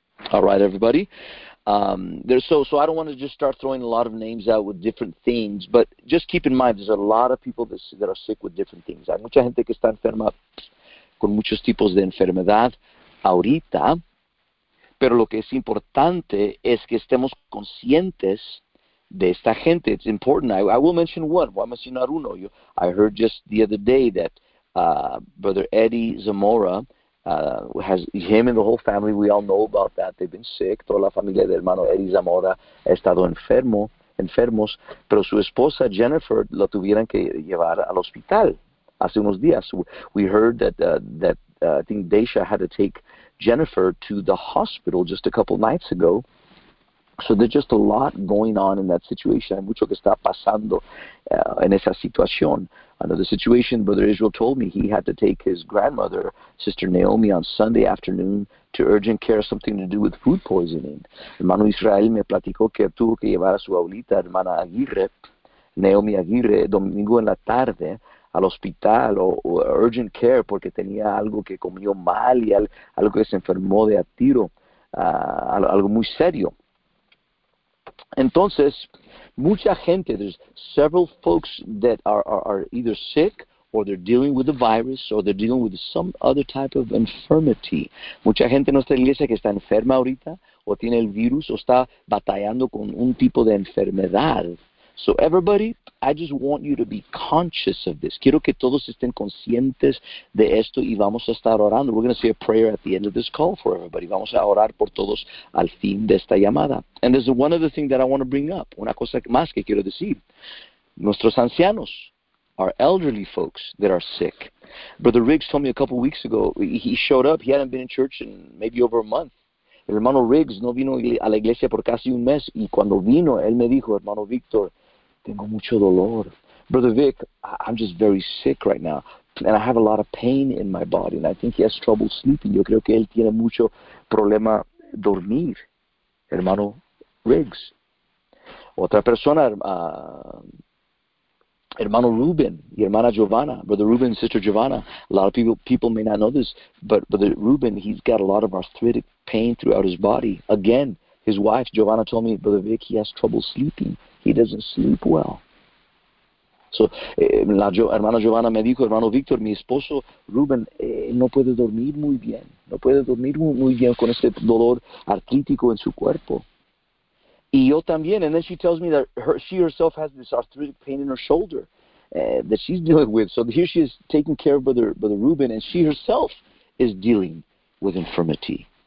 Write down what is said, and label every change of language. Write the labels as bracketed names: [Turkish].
[English] All right, everybody. So I don't want to just start throwing a lot of names out with different things, but just keep in mind, there's a lot of people that are sick with different things. [Spanish] Hay mucha gente que está enferma con muchos tipos de enfermedad ahorita, pero lo que es importante es que estemos conscientes de esta gente. [English] It's important. I will mention one. [Spanish] Voy a mencionar uno. [English] I heard just the other day that Brother Eddie Zamora, has him and the whole family, we all know about that, they've been sick. [Spanish] Toda la familia del hermano Eddie Zamora ha estado enfermos, pero su esposa Jennifer la tuvieron que llevar al hospital hace unos días. [English] We heard that I think Daisha had to take Jennifer to the hospital just a couple nights ago. So there's just a lot going on in that situation. [Spanish] Hay mucho que está pasando en esa situación. [English] Another situation, Brother Israel told me he had to take his grandmother, Sister Naomi, on Sunday afternoon to urgent care, something to do with food poisoning. [Spanish] Hermano Israel me platicó que tuvo que llevar a su abuelita, hermana Aguirre, Naomi Aguirre, domingo en la tarde, al hospital o urgent care porque tenía algo que comió mal y algo que se enfermó de a tiro, algo muy serio. Entonces, mucha gente, [English] there's several folks that are either sick or they're dealing with a virus or they're dealing with some other type of infirmity. [Spanish] Mucha gente en nuestra iglesia que está enferma ahorita o tiene el virus o está batallando con un tipo de enfermedad. [English] So everybody, I just want you to be conscious of this. [Spanish] Quiero que todos estén conscientes de esto y vamos a estar orando. [English] We're going to say a prayer at the end of this call for everybody. [Spanish] Vamos a orar por todos al fin de esta llamada. [English] And there's one other thing that I want to bring up. [Spanish] Una cosa más que quiero decir. Nuestros ancianos, [English] our elderly folks that are sick. Brother Riggs told me a couple weeks ago, he showed up, he hadn't been in church in maybe over a month. [Spanish] El hermano Riggs no vino a la iglesia por casi un mes y cuando vino, él me dijo, hermano Víctor, tengo mucho dolor. [English] Brother Vic, I'm just very sick right now and I have a lot of pain in my body and I think he has trouble sleeping. [Spanish] Yo creo que él tiene mucho problema dormir, hermano Riggs. Otra persona, hermano Ruben y hermana Giovanna, Brother Ruben and Sister Giovanna. [English] A lot of people may not know this, but Brother Ruben, he's got a lot of arthritic pain throughout his body. Again, his wife, Giovanna, told me, Brother Vic, he has trouble sleeping. He doesn't sleep well. [Spanish] Hermana Giovanna me dijo, hermano Víctor, mi esposo Rubén no puede dormir muy bien, no puede dormir muy bien con este dolor artrítico en su cuerpo. Y yo también, [English] and then she tells me that she herself has this arthritic pain in her shoulder that she's dealing with. So here she is taking care of Brother Rubén, and she herself is dealing with infirmity.